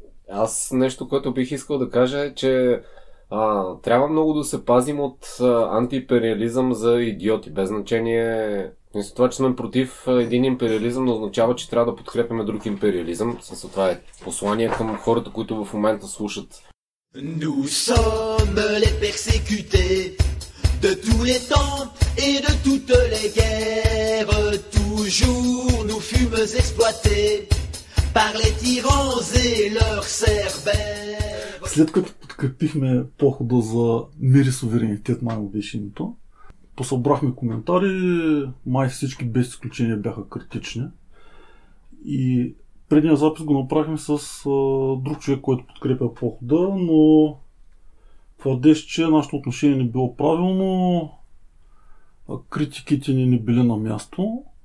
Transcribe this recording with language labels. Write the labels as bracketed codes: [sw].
[bg] Аз нещо, което бих искал да кажа е, че трябва много да се пазим от антиимпериализъм за идиоти. Без значение, вместо това, че сме против един империализъм, не означава, че трябва да подкрепяме друг империализъм. Също това е послание към хората, които в момента слушат. [fr] Nous sommes les persécutés de tous les temps et de toutes les guerres. Toujours nous fûmes exploités par les tyrans et leurs cerbères. [bg] След като подкрепихме похода за мир и суверенитет, май беше името, посъбрахме коментари, май всички без изключение бяха критични. И предния запис го направихме с друг човек, който подкрепя похода, но твърдеше, че нашето отношение не било правилно, критиките ни не били на място.